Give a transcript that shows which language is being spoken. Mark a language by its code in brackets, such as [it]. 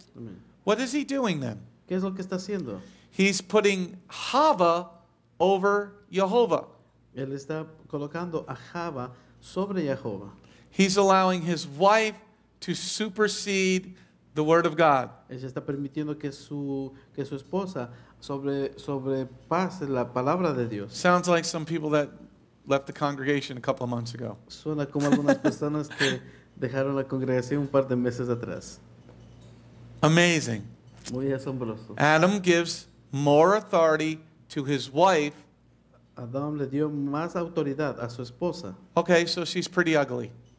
[en] Amen. What is he doing then? [es] ¿Qué es lo que está haciendo? [en] He's putting Hava over Jehovah. [es] Él está colocando a Hava sobre Jehovah. [en] He's allowing his wife to supersede the word of God. [es] Ella está permitiendo que su esposa sobrepase la palabra de Dios. [en] Sounds like some people that left the congregation a couple of months ago. [es] Suena como algunas personas que dejaron la congregación un par de meses atrás. [en] Amazing. [es] Muy asombroso. [en] Adam gives more authority to his wife. [es] Adam le dio más autoridad a su esposa. [en] Okay, so she's pretty ugly.